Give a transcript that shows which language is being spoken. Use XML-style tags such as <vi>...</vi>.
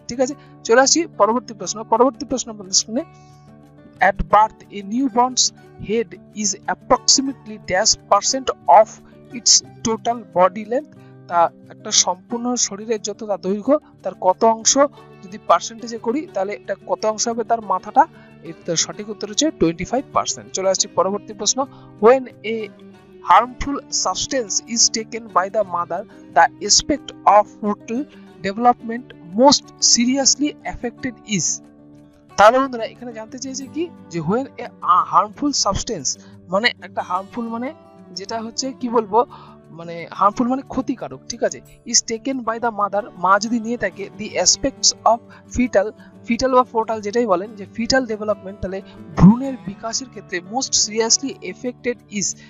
<bn>ঠিক আছে, চলে আসি পরবর্তী প্রশ্ন। পরবর্তী প্রশ্ন শুনে,</bn> <en>At birth a newborn's head is approximately 10% of its total body length.</en> <bn>তা একটা সম্পূর্ণ শরীরের যত তার দৈর্ঘ্য তার কত অংশ যদি পার্সেন্টেজে করি তাহলে এটা কত অংশ হবে তার মাথাটা, এর সঠিক উত্তর হচ্ছে 25%। চলে আসছি পরবর্তী প্রশ্ন,</bn> <en>When a harmful substance is taken by the mother, the aspect of fetal development most seriously affected is.</en> <bn>তার বন্ধুরা এখানে জানতে চাইছে কি যে</bn> <en>where a harmful substance</en> <bn>মানে একটা হার্মফুল মানে যেটা হচ্ছে কি বলবো মানে হার্মফুল মানে ক্ষতিকারক ঠিক আছে</bn> <en>is taken by the mother</en> <bn>মা যদি নিয়ে থাকে</bn> <en>the aspects of fetal</en> <bn>ফিটাল বা ফোর্টাল যেটাই বলেন যে ফিটাল ডেভেলপমেন্ট তাহলে ভ্রূণের বিকাশের ক্ষেত্রে</bn> <en>most seriously affected is</en>